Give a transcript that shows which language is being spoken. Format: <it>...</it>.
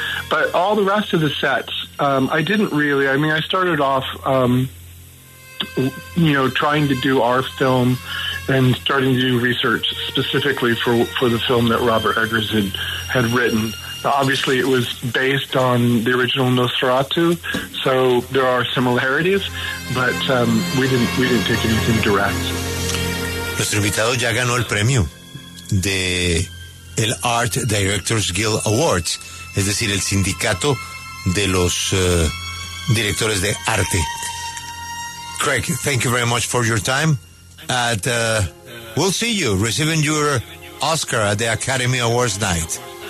<en>But all the rest of the sets, I didn't really. I mean, I started off, trying to do our film and starting to do research specifically for the film that Robert Eggers had written. Obviously, it was based on the original Nosferatu, so there are similarities, but we didn't take anything direct.</en> <es>Nuestro invitado ya ganó el premio de el Art Directors Guild Awards, es decir, el sindicato de los directores de arte.</es> <en>Craig, thank you very much for your time. At we'll see you receiving your Oscar at the Academy Awards night.</en>